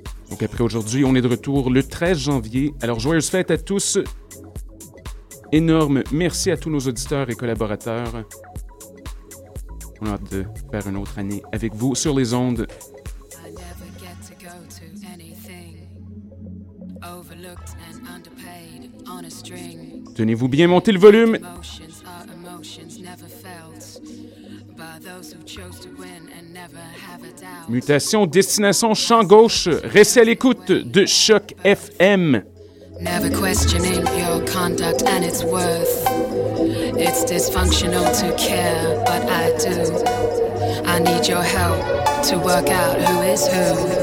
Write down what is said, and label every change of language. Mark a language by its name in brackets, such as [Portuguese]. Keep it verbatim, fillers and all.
[French] Donc, après aujourd'hui, on est de retour le treize janvier. Alors, joyeuse fête à tous. Énorme merci à tous nos auditeurs et collaborateurs. On a hâte de faire une autre année avec vous sur les ondes. [English] I never get to go to anything. Overlooked and underpaid on a string. [French] Tenez-vous bien, montez le volume. [English] Emotions are emotions, never felt by those who chose to win and never have a doubt. [French] Mutation, destination, champ gauche. Restez à l'écoute de Choc F M. [English] Never questioning your conduct and its worth. It's dysfunctional to care, but I do. I need your help to work out who is who.